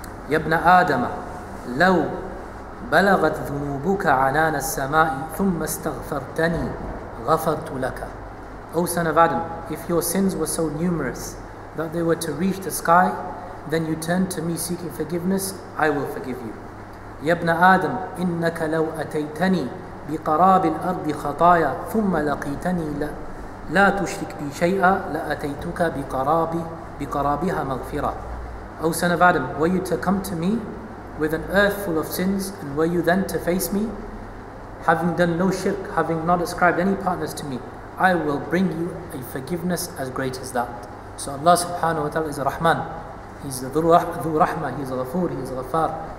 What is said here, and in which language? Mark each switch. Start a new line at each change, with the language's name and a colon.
Arabic: يَبْنَ آدَمَ لَوْ بَلَغَتْ ذُنُوبُكَ عَنَانَ السَّمَاءِ ثُمَّ اسْتَغْفَرْتَنِي غَفَرْتُ لَكَ.
English: O son of Adam, if your sins were so numerous that they were to reach the sky, then you turned to me seeking forgiveness, I will forgive you.
Arabic: يَبْنَ آدَمَ إِنَّكَ لَوْ أَتَيْتَنِي بِقَرَابِ الْأَرْضِ خَطَايَا ثُمَّ لَقِيتَنِي لا تشرك بي شيئا لأتيتك بقرابها مغفرة.
English: O son of Adam, were you to come to me with an earth full of sins, and were you then to face me, having done no shirk, having not ascribed any partners to me, I will bring you a forgiveness as great as that. So Allah subhanahu wa ta'ala is a Rahman. He's the Dhu Rahma, He's Ghafoor, He's Ghafar.